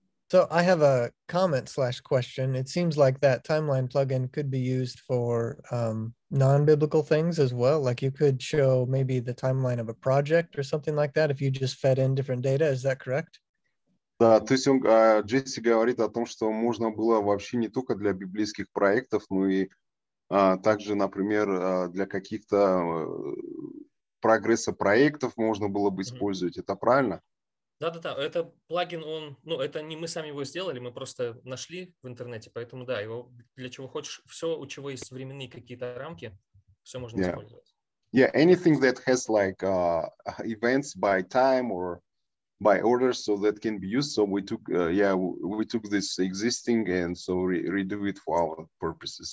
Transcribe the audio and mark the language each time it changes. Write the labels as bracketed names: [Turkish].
[English] So I have a comment/question. It seems like that timeline plugin could be used for non-biblical things as well. Like you could show maybe the timeline of a project or something like that if you just fed in different data. Is that correct? [Russian] Да, то есть он, Джесси говорит о том, что можно было вообще не только для библейских проектов, но и также, например, для каких-то прогресса проектов можно было бы использовать. Mm-hmm. Это правильно? Да. Это плагин, он, ну, это не мы сами его сделали, мы просто нашли в интернете. Поэтому, да, его для чего хочешь, все, у чего есть временные какие-то рамки, все можно использовать. [English] Yeah, anything that has like events by time or by order, so that can be used. So we took we took this existing and so redo it for our purposes.